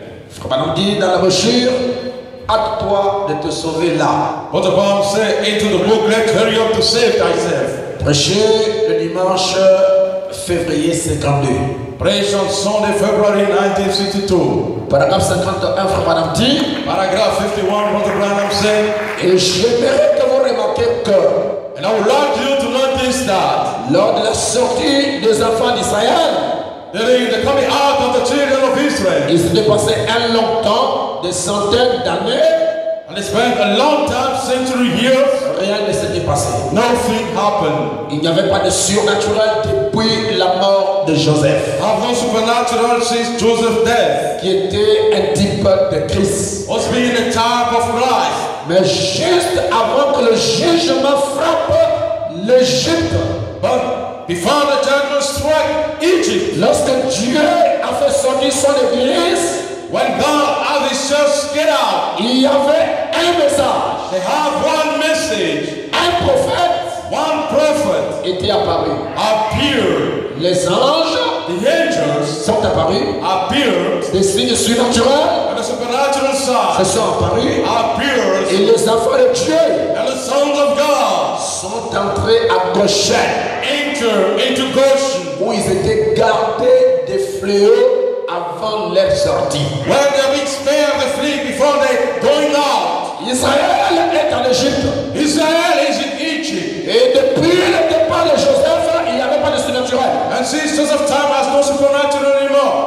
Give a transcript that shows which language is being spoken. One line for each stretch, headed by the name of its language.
French: Frère Branham dit dans la brochure, hâte-toi de te sauver là.
English: What the Bible says into the book, let hurry up to save thyself.
French: Prêcher le dimanche février 52. Prêche en son de février 1962. Paragraphe 51, Frère Branham dit.
English: Paragraph 51, what the Branham say.
French: Et j'aimerais que vous remarquiez que.
English: And I would like you to notice that.
French: Lors de la sortie des enfants d'Israël.
English: During the coming out of the children of Israel.
French: Ils se dépassaient un long temps, des centaines d'années.
English: And they spent a long time, century, years.
French: Rien ne s'était passé.
English: Nothing happened.
French: Il n'y avait pas de surnaturel depuis la mort de Joseph.
English: No supernatural since Joseph's death.
French: Qui était un type de Christ.
English: Was being a type of Christ.
French: Mais juste avant que le jugement frappe l'Égypte.
English: But before the judgment struck Egypt.
French: Lorsque Dieu a fait sortir son église.
English: When God had his church get out,
French: il y avait un message.
English: They have one message.
French: Un prophète.
English: One prophet
French: était apparu.
English: Appeared.
French: Les anges.
English: The angels
French: sont apparus.
English: Appeared.
French: Des signes surnaturels.
English: And the supernatural signs.
French: Se sont apparus.
English: Appeared.
French: Et les enfants de Dieu.
English: And the sons of God
French: sont entrés à Goshen.
English: Enter into Goshen.
French: Où ils étaient gardés des fléaux. Avant leur sortie.
English: When they have spared the fleet before they going out.
French: Israël est en Égypte.
English: Israel is in Egypt.
French: Et depuis le départ de Joseph, il n'y avait pas de surnaturel.
English: And since Joseph's time has no supernatural anymore.